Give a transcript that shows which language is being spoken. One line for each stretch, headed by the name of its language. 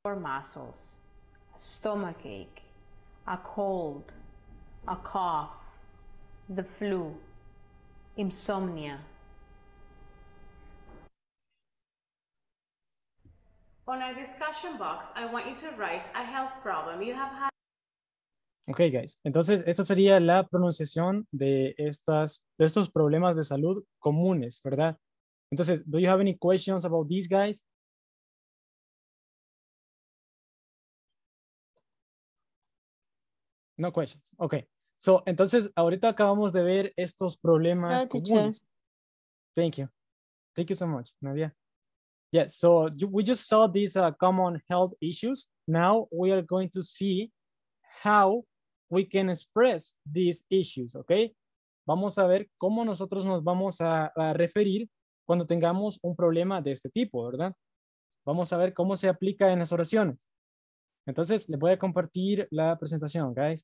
English: Sore muscles. Stomachache. A cold. A cough. The flu. Insomnia. On our discussion box, I want you to write a health problem you have had. Okay, guys.
Spanish: Entonces, esta sería la pronunciación de estos problemas de salud comunes, ¿verdad?
English: Entonces, do you have any questions about these guys? No questions. Okay.
Spanish: So, entonces, ahorita acabamos de ver estos problemas comunes.
English: Thank you. Thank you so much, Nadia. Yeah, so we just saw these common health issues. Now we are going to see how we can express these issues, okay?
Spanish: Vamos a ver cómo nosotros nos vamos a referir cuando tengamos un problema de este tipo, ¿verdad? Vamos a ver cómo se aplica en las oraciones. Entonces, les voy a compartir la presentación, guys.